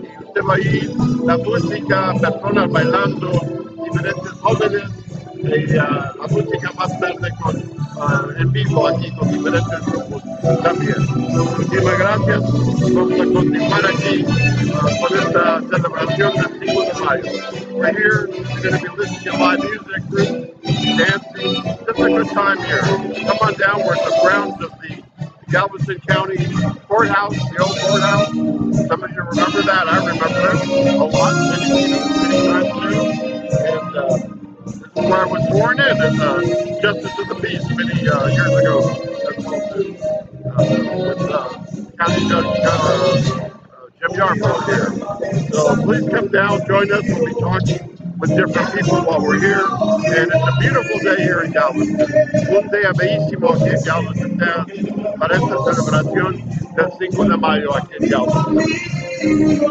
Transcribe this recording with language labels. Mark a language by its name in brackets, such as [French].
[Spanish] Usted va a ir la música, personas bailando, diferentes jóvenes, la música más tarde con en vivo aquí con diferentes grupos también. Muchísimas gracias. Vamos a continuar aquí con esta celebración del 5 de mayo. [English] We're here, we're going to be listening to live music group, dancing. Just a good time here. Come on down, we're at the grounds of the Galveston County Courthouse, the old courthouse. Some of you remember that. I remember it a lot. Many times too. And this is where I was sworn in as a justice of the peace many years ago. Jim Yarbrough here. So please come down, join us. We'll be talking with different people while we're here. And it's a beautiful day here in Galveston. [Spanish] Un día bellísimo aquí en Galveston town para esta celebración del 5 de mayo aquí en Galveston.